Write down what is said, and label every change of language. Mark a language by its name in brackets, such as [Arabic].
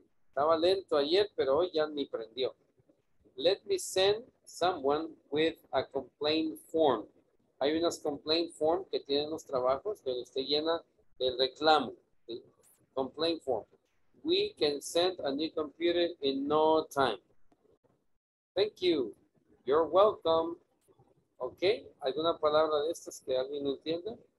[Spanish] Estaba lento ayer, pero hoy ya ni prendió. [English] Let me send someone with a complaint form. [Spanish] Hay unas complaint form que tienen los trabajos que usted llena de reclamo. [English] Complaint form. We can send a new computer in no time. Thank you. You're welcome. Okay. [Spanish] ¿Alguna palabra de estas que alguien entienda?